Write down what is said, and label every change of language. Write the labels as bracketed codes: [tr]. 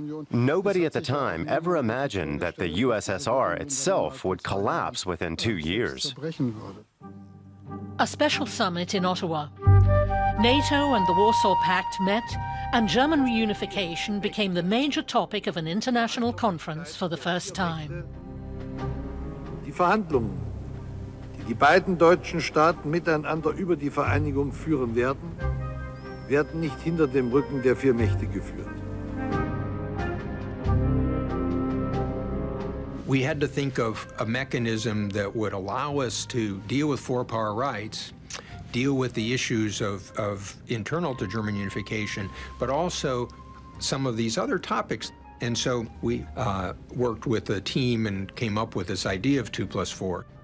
[en] Nobody at the time ever imagined that the USSR itself would collapse within 2 years. A special summit in Ottawa. NATO and the Warsaw Pact met, and German reunification became the major topic of an international conference for the first time. [de] Die Verhandlungen, die die beiden deutschen Staaten miteinander über die Vereinigung führen werden, werden nicht hinter dem Rücken der vier Mächte geführt. [en] We had to think of a mechanism that would allow us to deal with four-power rights, deal with the issues of internal to German unification, but also some of these other topics. And so we worked with a team and came up with this idea of 2+4.